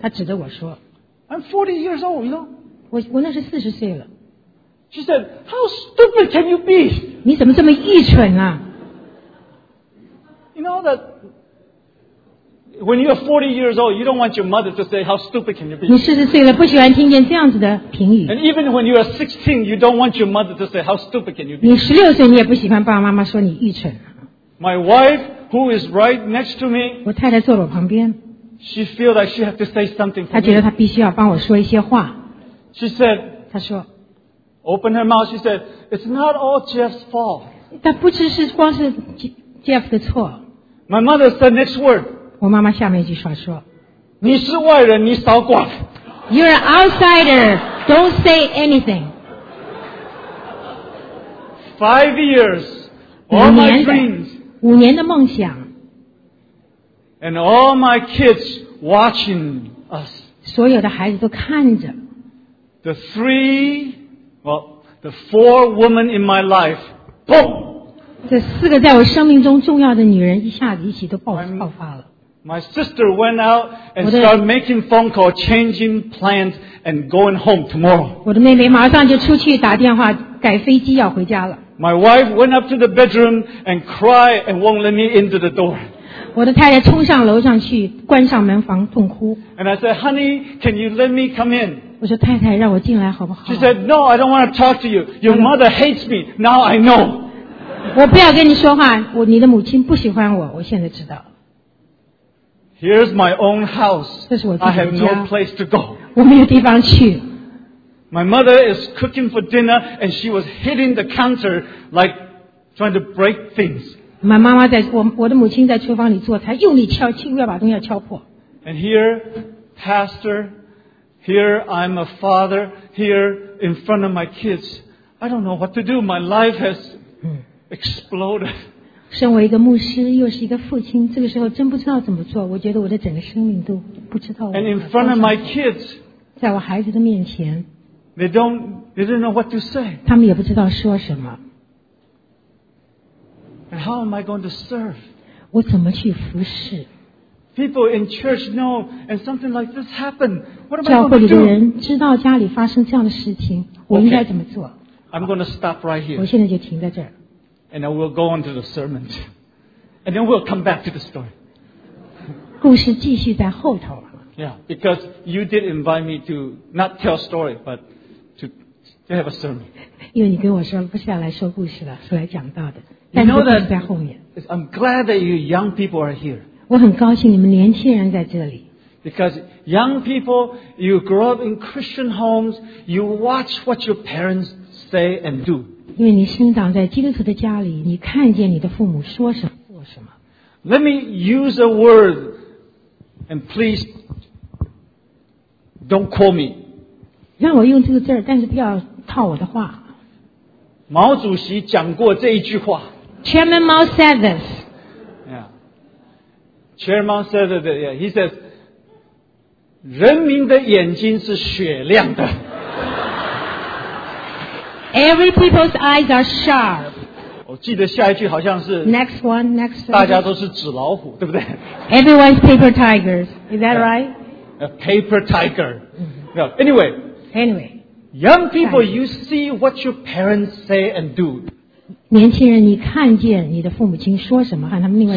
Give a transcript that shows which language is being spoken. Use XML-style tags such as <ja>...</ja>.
<zh>她指着我说</zh> <en>I'm 40 years old, you know.</en> <zh>我那是40岁了。</zh> <en>She said, "How stupid can you be?"</en> <zh>你怎么这么愚蠢啊？</zh> <en>You know that when you're 40 years old, you don't want your mother to say, "How stupid can you be?"</en> <zh>你40岁了，不喜欢听见这样子的评语。</zh> <en>And even when you're 16, you don't want your mother to say, "How stupid can you be?"</en> <zh>你16岁，你也不喜欢爸爸妈妈说你愚蠢。</zh> <en>My wife, who is right next to me.</en> <zh>我太太坐我旁边。</zh> <en>She feel like she have to say something.</en> <zh>她觉得她必须要帮我说一些话。</zh> <en>She said.</en> <zh>她说。</zh> <en>Open her mouth. She said, "It's not all Jeff's fault."</en> <zh>她不只是光是 Jeff 的错。</zh> <en>My mother said next word.</en> <zh>我妈妈下面一句话说。你是外人，你少管。</zh> <en>You're an outsider. Don't say anything. 5 years. All my dreams.</en> <zh>五年的梦想。</zh> <en>And all my kids watching us.</en> <zh>所有的孩子都看着。</zh> <en>The three, well, the four women in my life, boom!</en> <zh>这四个在我生命中重要的女人一下子一起都爆发了。</zh> <en>My sister went out and started making phone calls, changing plans, and going home tomorrow.</en> <zh>我的妹妹马上就出去打电话，改飞机要回家了。</zh> <en>My wife went up to the bedroom and cried and won't let me into the door.</en> <zh>我的太太冲上楼上去，关上门房痛哭。</zh> <en>And I said, "Honey, can you let me come in?"</en> <zh>我说太太，让我进来好不好</zh> <en>？She said, "No, I don't want to talk to you. Your mother hates me. Now I know."</en> <zh>我不要跟你说话，我你的母亲不喜欢我，我现在知道。</zh> <en>Here's my own house.</en> <zh>这是我自己的家。</zh> <en>I have no place to go.</en> <zh>我没有地方去。</zh> <en>My mother is cooking for dinner, and she was hitting the counter like trying to break things.</en> <zh>我妈妈在我的母亲在厨房里做菜，用力敲，轻轻要把东西要敲破。</zh> <en>And here, pastor, here I'm a father, here in front of my kids. I don't know what to do. My life has exploded.</en> <zh>身为一个牧师，又是一个父亲，这个时候真不知道怎么做。我觉得我的整个生命都不知道。</zh> <en>And in front of my kids,</en> <zh>在我孩子的面前。</zh> <en>They didn't know what to say.</en> <zh>他们也不知道说什么。</zh> <en>And how am I going to serve?</en> <zh>我怎么去服侍？</zh> <en>People in church know, and something like this happened. What am I going</en> <zh>教会里的人知道家里发生这样的事情，我应该怎么做？</zh> <en>Okay. I'm going to stop right here.</en> <zh>我现在就停在这儿。</zh> <en>And then we'll go on to the sermon. And then we'll come back to the story.</en> <zh>故事继续在后头。</zh> <en>Yeah, because you did invite me to not tell story, but to have a sermon.</en> <zh>因为你跟我说不是要来说故事了，是来讲道的。</zh> <en>You know that</en> <zh>在后面。</zh> <en>I'm glad that you young people are here.</en> <zh>我很高兴你们年轻人在这里。</zh> <en>Because young people, you grow up in Christian homes, you watch what your parents say and do.</en> <zh>因为你生长在基督徒的家里，你看见你的父母说什么做什么。</zh> <en>Let me use a word, and please. Don't call me.</en> <zh>让我用这个字儿，但是不要套我的话。毛主席讲过这一句话。</zh> <en>Chairman Mao said this. Yeah. Chairman said that. Yeah. He says,</en> <zh>人民的眼睛是雪亮的。</zh> <en>Every people's eyes are sharp.</en> <zh>我记得下一句好像是。</zh> <en>Next one, next.</en> <zh>大家都是纸老虎，对不对</zh> <en>？Everyone's paper tigers. Is that right? A paper tiger. No, anyway. Anyway. Young people, you see what your parents say and do.</en> <zh>年轻人，你看见你的父母亲说什么，和他们另外。</zh>